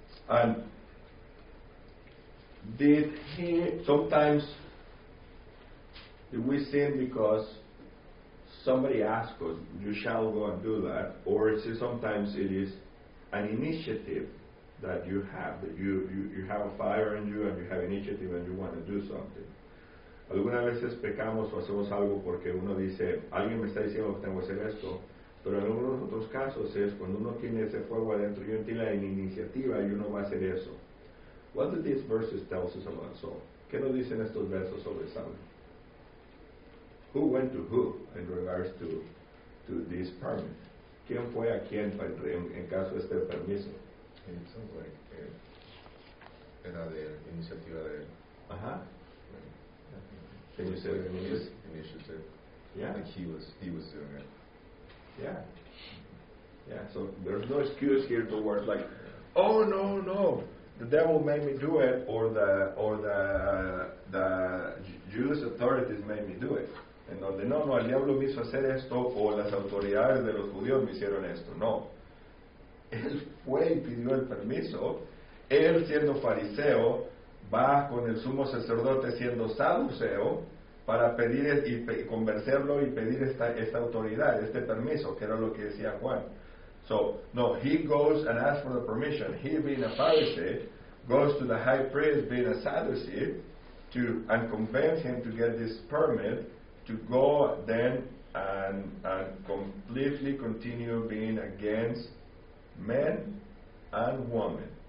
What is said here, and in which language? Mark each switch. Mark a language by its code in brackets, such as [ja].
[en] And did we sin because somebody asked us, you shall go and do that, or is it sometimes it is an initiative that you have, that you have a fire in you and you have initiative and you want to do something? [es] Algunas veces pecamos o hacemos algo porque uno dice, alguien me está diciendo que tengo que hacer esto, pero en algunos otros casos es cuando uno tiene ese fuego adentro y uno tiene la iniciativa y uno va a hacer eso. [en] What do these verses tell us about Saul? [es] ¿Qué nos dicen estos versos sobre Saul? [en] Who went to who in regards to this permit? [es] ¿Quién fue a quién en caso de este permiso? [en] It sounds like [es] era de iniciativa de él. [en] Ajá. Can you say that he was initiative? Yeah. Like he was doing it. Yeah. Yeah. So there's no excuse here towards like, oh no, no, the devil made me do it, or the Jewish authorities made me do it. [es] En donde no, no, el diablo me hizo hacer esto, o las autoridades de los judíos me hicieron esto. No. Él fue y pidió el permiso. Él, siendo fariseo, va con el sumo sacerdote siendo saduceo para pedir y convencerlo y pedir esta autoridad, este permiso, que era lo que decía Juan. [en] So, no, he goes and asks for the permission. He, being a Pharisee, goes to the high priest, being a Sadducee, and convince him to get this permit to go then and completely continue being against men and women.